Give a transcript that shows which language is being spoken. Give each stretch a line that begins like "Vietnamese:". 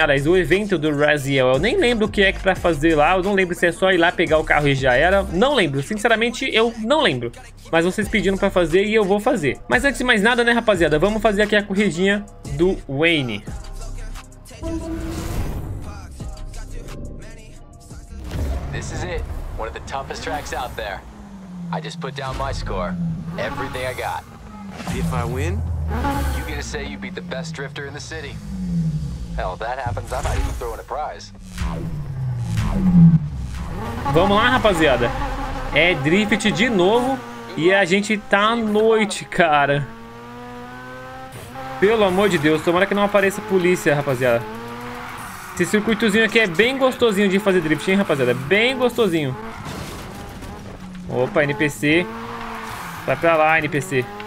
Portuguese: Aliás, o evento do Raziel. Eu nem lembro o que é que pra fazer lá. Eu não lembro se é só ir lá pegar o carro e já era. Não lembro. Sinceramente, eu não lembro. Mas vocês pediram pra fazer e eu vou fazer. Mas antes de mais nada, né, rapaziada? Vamos fazer aqui a corridinha do Wayne.
English: This is it, one of the toughest tracks out there. I just put down my score, everything I got. If I win? You get to say you beat the best drifter in the city. Hell, if that happens, I might even throw in a prize.
Portuguese: Vamos lá, rapaziada. É drift de novo e a gente tá à noite, cara. Pelo amor de Deus, tomara que não apareça polícia, rapaziada. Esse circuitozinho aqui é bem gostosinho de fazer drift, hein, rapaziada? Bem gostosinho. Opa, NPC. Vai pra lá, NPC.